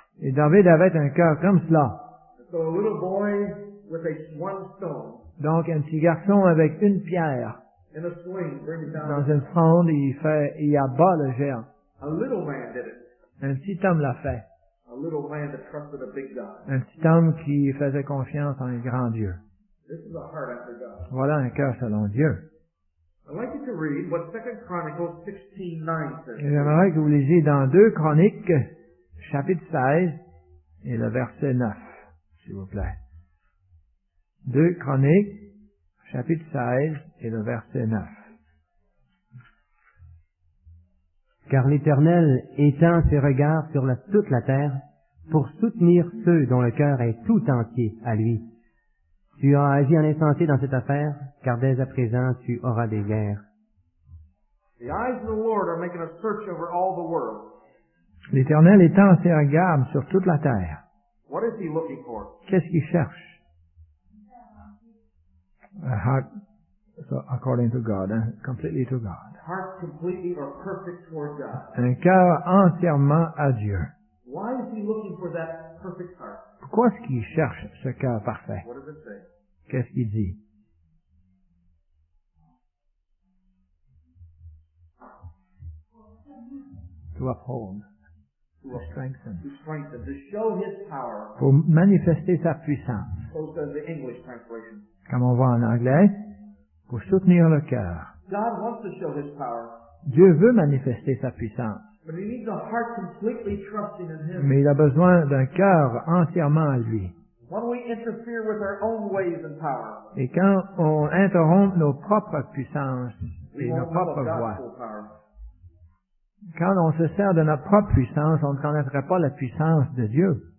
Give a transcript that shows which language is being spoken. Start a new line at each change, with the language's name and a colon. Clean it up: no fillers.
French: Et David avait un cœur comme cela.
English: So a little boy with a one stone,
French: donc un petit garçon avec une pierre,
English: in a swing, bring it down.
French: Dans une fronde, il abat le géant.
English: A little man did it.
French: Un petit homme l'a fait.
English: A little man that trusted a big God.
French: Un petit homme qui faisait confiance en un grand Dieu.
English: This is a heart after God.
French: Voilà un cœur selon Dieu.
English: I'd like you to read what 2 Chronicles 16:9 says.
French: J'aimerais que vous lisiez dans 2 Chroniques, chapitre 16, et le verset 9, s'il vous plaît. 2 Chroniques, chapitre 16 et le verset 9. Car l'Éternel étend ses regards sur toute la terre pour soutenir ceux dont le cœur est tout entier à lui. Tu as agi en insensé dans cette affaire, car dès à présent tu auras des guerres.
English: The eyes of the Lord are making a search over all the world.
French: L'Éternel étend ses regards sur toute la terre.
English: What is he looking for?
French: Qu'est-ce qu'il cherche?
English: A heart, so according to God, completely to God. Heart completely or perfect toward God.
French: Un cœur entièrement à Dieu.
English: Why is he looking for that perfect heart?
French: Pourquoi est-ce qu'il cherche ce cœur parfait?
English: What does it say?
French: Qu'est-ce qu'il dit?
English: To uphold, to strengthen, to show his power,
French: pour manifester sa puissance,
English: so says the English translation.
French: Comme on voit en anglais, pour soutenir le cœur.
English: God wants to show his power.
French: Dieu veut manifester sa puissance,
English: but he needs a heart completely trusting in him.
French: Mais il a besoin d'un cœur entièrement à lui.
English: When we interfere with our own ways and power,
French: et quand on interrompt nos propres puissances et nos propres voies, quand on se sert de notre propre puissance, on ne connaîtrait pas la puissance de Dieu.